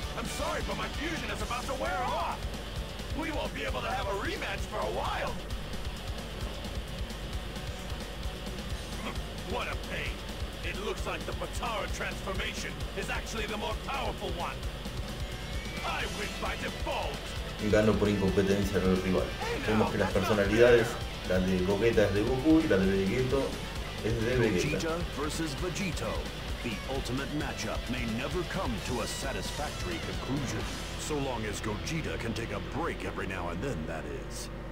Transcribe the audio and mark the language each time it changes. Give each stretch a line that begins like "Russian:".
English: I'm sorry, but my fusion is about to wear off! We won't be able to have a rematch for a while! What a pain! It looks like the Patara transformation is actually the more powerful one! I win by default!
Spanish: Gano por incompetencia del rival. Vemos que las personalidades, la de Gogeta es de Goku y la de Vegeta es de Vegeta. Versus Vegito.
English: The ultimate matchup may never come to a satisfactory conclusion. So long as Gogeta can take a break every now and then, that is.